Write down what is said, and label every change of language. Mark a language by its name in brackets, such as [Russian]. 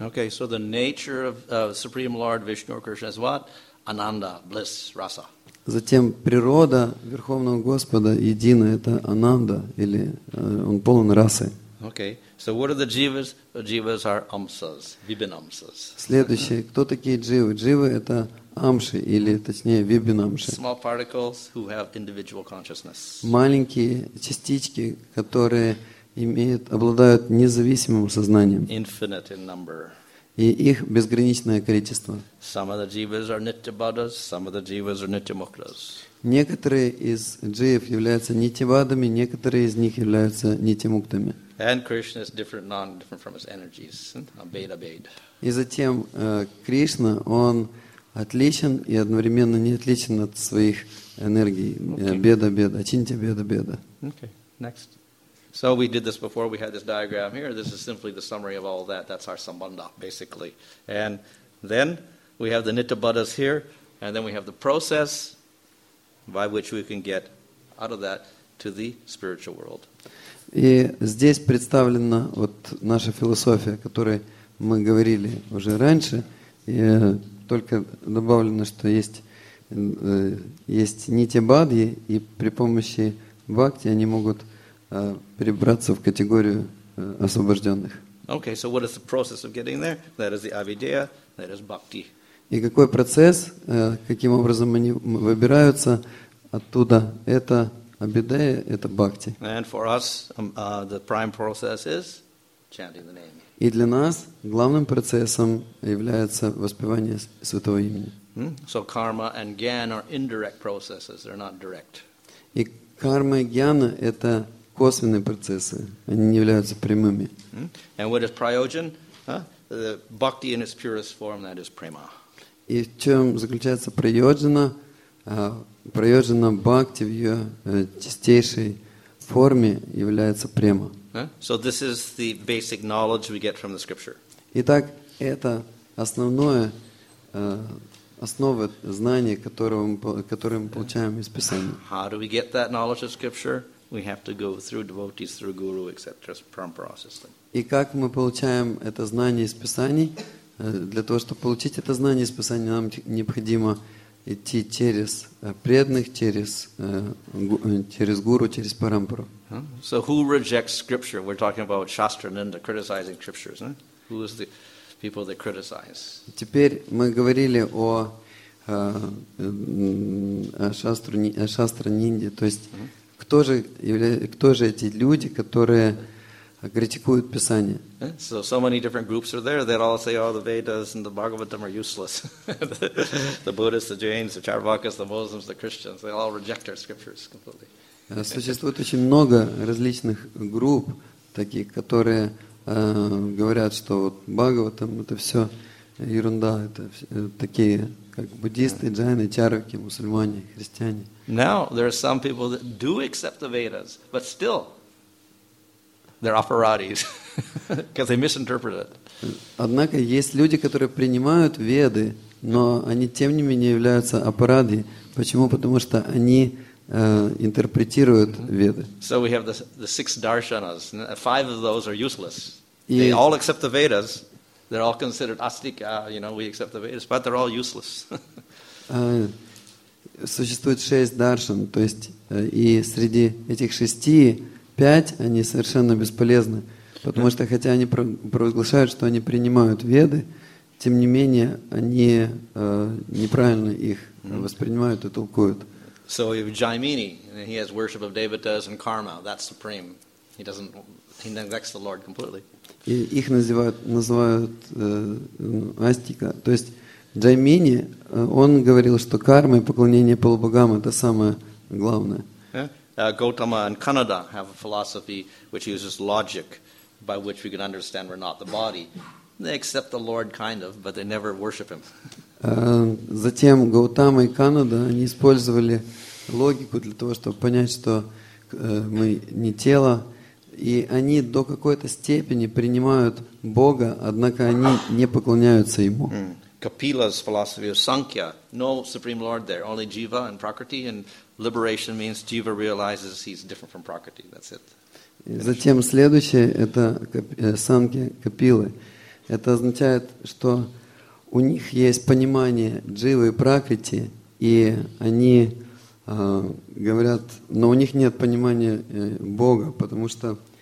[English] Okay, so the nature of Supreme Lord Vishnu or Krishna is what? Ananda, bliss, rasa. [Russian] Затем природа Верховного Господа едина, это ананда, или он полон расы. [English] Okay. So what are the jivas? The jivas are amsas, vibhinamsas. [Russian] Следующее, кто такие дживы? Дживы это амши или точнее вибинамши. [English] Small particles who have individual consciousness. [Russian] Маленькие частички, которые имеют, обладают независимым сознанием. [English] Infinite in number. [Russian] И их безграничное количество. [English] Some of the jivas are nityabaddhas, some of the jivas are nityamuktas. [Russian] Некоторые из джив являются нитибадами, некоторые из них являются нитимуктами. [English] And Krishna is different, non-different from his energies. [Sanskrit] Abheda-bheda. [Russian] И затем Кришна, он отличен и одновременно не отличен от своих энергий. [Sanskrit] Беда-беда, чинти-беда-беда. [English] Okay, next. So we did this before, we had this diagram here. This is simply the summary of all that. That's our sambandha, basically. And then we have the nitya-buddhas here, and then we have the process by which we can get out of that to the spiritual world. [Russian] И здесь представлена вот наша философия, о которой мы говорили уже раньше. И только добавлено, что есть нити-бадхи, и при помощи бхакти они могут перебраться в категорию освобожденных. [English] Okay, so what is the process of getting there? That is the avideya, that is bhakti. [Russian] И какой процесс, каким образом они выбираются оттуда, это Абидея, это бхакти. [English] And for us, the prime process is chanting the name. [Russian] И для нас главным процессом является воспевание святого имени. [English] So karma and gyan are indirect processes, they're not direct. [Russian] И карма и гьяна это косвенные процессы, они не являются прямыми. [English] And what is prayojan? The bhakti in its purest form, that is prema. [Russian] И в чем заключается прайоджана? Прайоджана бхакти в ее чистейшей форме является према. [English] So this is the basic knowledge we get from the scripture. [Russian] Итак, это основное, основа знания, которое мы получаем из Писания. [English] How do we get that knowledge of scripture? We have to go through devotees, through guru, etc. [Russian] И как мы получаем это знание из Писаний? Для того, чтобы получить это знание из Писания, нам необходимо идти через преданных, через гуру, через парампару. [English] So who rejects scripture? We're talking about Shastra Ninda, criticizing scriptures. Huh? Who is the people that criticize? [Russian] Теперь мы говорили о Шастра Нинде. То есть, кто же эти люди, которые критикуют Писание. [English] So many different groups are there that all say, oh, the Vedas and the Bhagavatam are useless. the Buddhists, the Jains, the Charvakas, the Muslims, the Christians, they all reject our scriptures completely. [Russian] Существует очень много различных групп, таких, которые говорят, что вот Бхагаватам это все ерунда, это такие как буддисты, джайны, чарваки, мусульмане, христиане. [English] Now, there are some people that do accept the Vedas, but still, they're aparadis, because they misinterpret it. [Russian] Однако есть люди, которые принимают веды, но они тем не менее являются аппарадой. Почему? Потому что они интерпретируют веды. [English] So we have the six darshanas. Five of those are useless. They all accept the Vedas. They're all considered astika. You know, we accept the Vedas, but they're all useless. [Russian] Существует шесть даршан, то есть и среди этих шести пять, они совершенно бесполезны, потому что хотя они провозглашают, что они принимают веды, тем не менее они неправильно их воспринимают и толкуют. [English] So if Jaimini, he has worship of devatas and karma, that's supreme. He neglects the Lord completely. [Russian] И их называют астика. То есть Jaimini, он говорил, что карма и поклонение полубогам это самое главное. [English] Gautama and Kanada have a philosophy which uses logic by which we can understand we're not the body. They accept the Lord kind of, but they never worship him. [Russian] Затем Гаутама и Канада они использовали логику для того, чтобы понять, что мы не тело, и они до какой-то степени принимают Бога, однако они не поклоняются ему. [English] Kapila's philosophy of Sankhya, no supreme lord there, only jiva and prakriti and liberation means jiva realizes he's different from prakriti. That's it. [Russian] Затем следующее это санки капилы. Это означает, что у них есть понимание дживы и пракрити, и они говорят, но у них нет понимания Бога, потому что